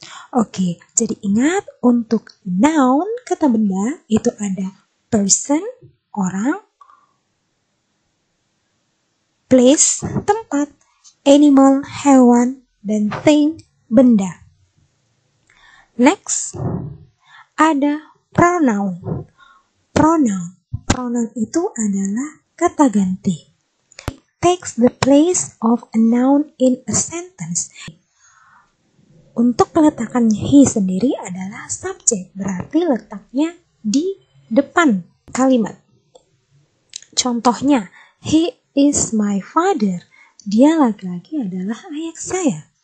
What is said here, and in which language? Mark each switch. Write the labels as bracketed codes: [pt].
[id] Oke, jadi ingat untuk noun, kata benda, itu ada person, orang, place, tempat, animal, hewan, dan thing, benda. Next, ada pronoun. Pronoun, pronoun itu adalah kata ganti. [en] It takes the place of a noun in a sentence. [id] Untuk peletakan he sendiri adalah subjek, berarti letaknya di depan kalimat. Contohnya, [en] he is my father. [id] Dia laki-laki adalah ayah saya.